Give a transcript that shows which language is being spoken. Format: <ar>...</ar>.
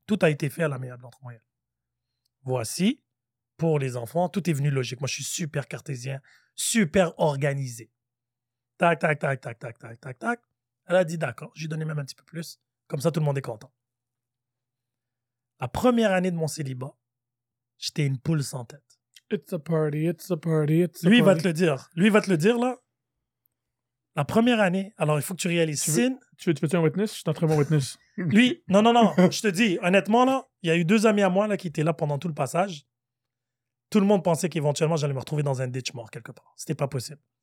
<fr>Tout a été fait à l'amiable entre moi et elle. Voici, pour les enfants, tout est venu logique. Moi, je suis super cartésien, super organisé. Tac, tac, tac, tac, tac, tac, tac, tac. Elle a dit d'accord, je lui ai donné même un petit peu plus. Comme ça, tout le monde est content. La première année de mon célibat, j'étais une poule sans tête.</fr> <en>It's a party, it's a party, it's a party.</en> <fr>Lui va te le dire. Lui va te le dire, là. La première année, alors il faut que tu réalises. Tu veux un witness? Je suis un très bon witness. Lui, non. Je te dis, honnêtement, là, il y a eu 2 amis à moi là, qui étaient là pendant tout le passage. Tout le monde pensait qu'éventuellement, j'allais me retrouver dans un ditch mort quelque part. C'était pas possible.</fr>